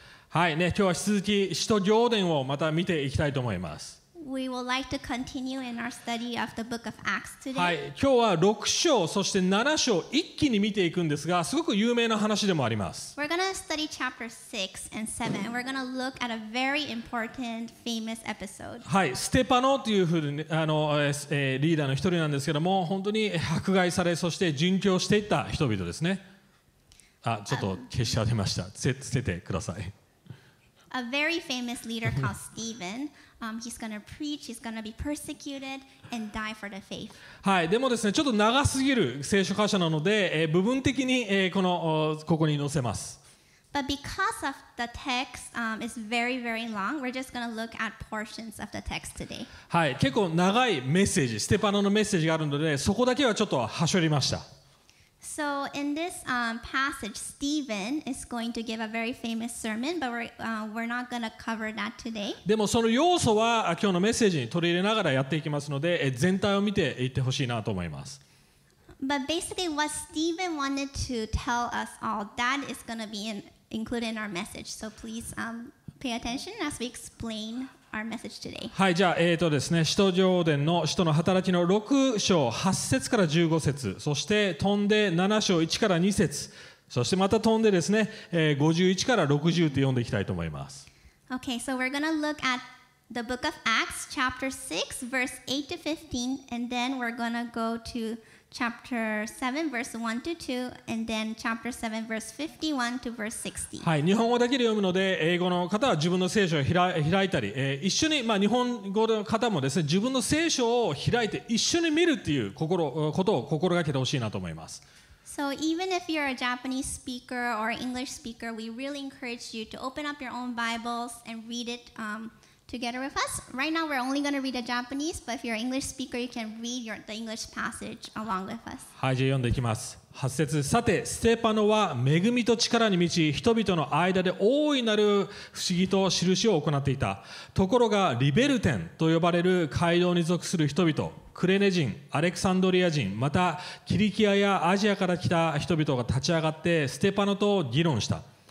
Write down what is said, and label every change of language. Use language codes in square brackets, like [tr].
[ja] はいね、今日は引き続き使徒行伝をまた見ていきたいと思います。 [en] We would like to continue in our study of the book of Acts today. [ja] はい、今日は6章そして7章一気に見ていくんですが、すごく有名な話でもあります。 [en] We're gonna study chapter 6 and 7. We're gonna look at a very important, famous episode. [ja] はい、ステパノというふうにリーダーの一人なんですけども、本当に迫害されそして殉教していった人々ですね。あ、ちょっと消し上げました。捨ててください。 [en] A very famous leader called Stephen. He's gonna preach. He's gonna be persecuted and die for the faith. [ja] はい。でもですね、ちょっと長すぎる聖書箇所なので、部分的に、このここに載せます。 [en] But because of the text, it's very, very long. We're just gonna look at portions of the text today. [ja] はい。結構長いメッセージ、ステパノのメッセージがあるので、そこだけはちょっと端折りました。 [en] So in this passage, Stephen is going to give a very famous sermon, but we're not going to cover that today. [ja] でもその要素は今日のメッセージに取り入れながらやっていきますので、全体を見ていってほしいなと思います。 [en] But basically, what Stephen wanted to tell us all, that is going to be included in our message. So please pay attention as we explain. Our message today. [ja] はい、じゃあ、ですね、使徒行伝の使徒の働きの6章8節から15節、そして飛んで7章1から2節、そしてまた飛んでですね、51から60って読んでいきたいと思います。 [en] Okay, so we're gonna look at the book of Acts, chapter 6, verse 8 to 15, and then we're gonna go to chapter 7, verse 1 to 2, and then chapter 7, verse 51 to verse 60. [ja] はい、日本語だけで読むので、英語の方は自分の聖書を開いたり、一緒に、まあ、日本語の方もですね、自分の聖書を開いて一緒に見るっていうことを心がけてほしいなと思います。 [en] So even if you're a Japanese speaker or English speaker, we really encourage you to open up your own Bibles and read it, together with us. Right now, we're only going to read the Japanese, but if you're an English speaker, you can read the English passage along with us. [ja] はい、じゃあ読んでいきます。8節。さて、ステパノは恵みと力に満ち、人々の間で大いなる不思議と印を行っていた。ところが、リベルテンと呼ばれる街道に属する人々、クレネ人、アレクサンドリア人、またキリキアやアジアから来た人々が立ち上がってステパノと議論した。